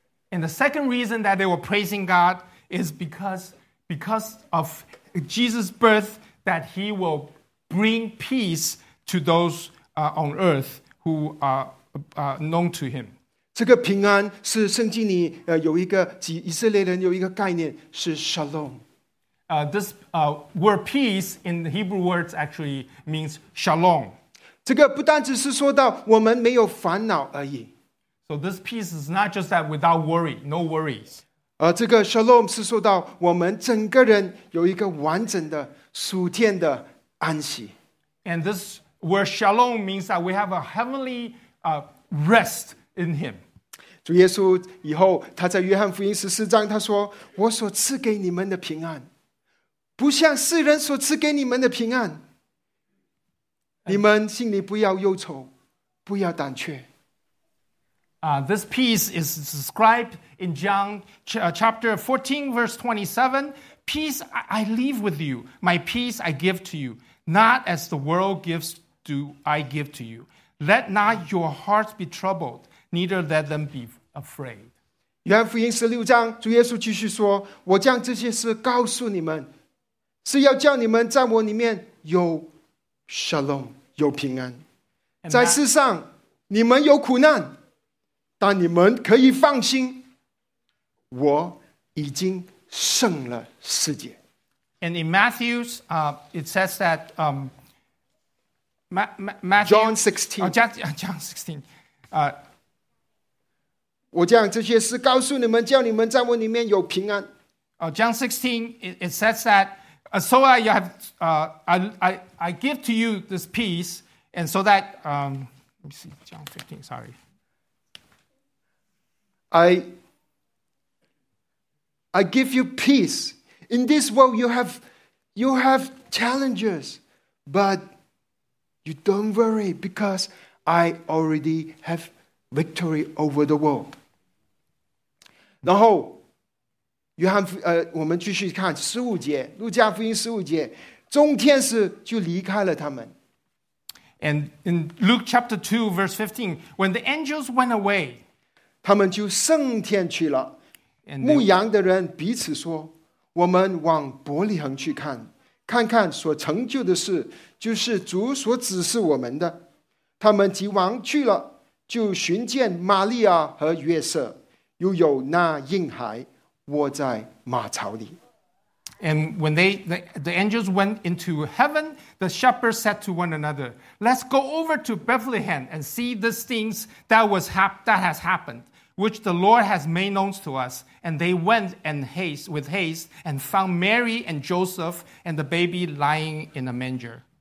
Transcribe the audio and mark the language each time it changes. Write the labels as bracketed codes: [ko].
[en] And the second reason that they were praising God is because of Jesus' birth, that he will bring peace to those on earth who are known to him. [zh] 这个平安是圣经里有一个以色列人有一个概念是 shalom. [en] This word peace in the Hebrew words actually means shalom. [zh] 这个不单只是说到我们没有烦恼而已。 [en] So this peace is not just that without worry, no worries. [zh] 这个 shalom 是说到我们整个人有一个完整的属天的安息。 [en] And this word shalom means that we have a heavenly rest in him. [zh] 主耶稣以后他在约翰福音十四章他说，我所赐给你们的平安不像世人所赐给你们的平安。你们心里不要忧愁，不要胆怯。 [en] This peace is described in John chapter 14, verse 27. Peace I leave with you, my peace I give to you. Not as the world gives do I give to you. Let not your hearts be troubled, neither let them be afraid. [zh] 约翰福音十六章，主耶稣继续说：“我将这些事告诉你们，是要叫你们在我里面有 shalom， 有平安。在世上你们有苦难，但你们可以放心，我已经胜了世界。” [en] And in Matthew's, it says that Matthew, John 16. John 16. [zh] 我将这些事告诉你们，叫你们在我里面有平安。 [en] John 16, it says that so I have I give to you this peace, and so that let me see John 15. Sorry. I give you peace. In this world, you have challenges, but you don't worry because I already have victory over the world. [zh] 然后，约翰福我们继续看十五节，路加福音十五节，众天使就离开了他们。 [en] And in Luke chapter 2 verse 15, when the angels went away, [zh] 他们就升天去了。牧羊的人彼此说：“我们往伯利恒去看，看看所成就的事，就是主所指示我们的。” 他们即往去了，就寻见玛利亚和约瑟，又有那婴孩卧在马槽里。 [en] And when the angels went into heaven, the shepherds said to one another, "Let's go over to Bethlehem and see the things that has happened, which the Lord has made known to us." And they went and with haste and found Mary and Joseph and the baby lying in a manger.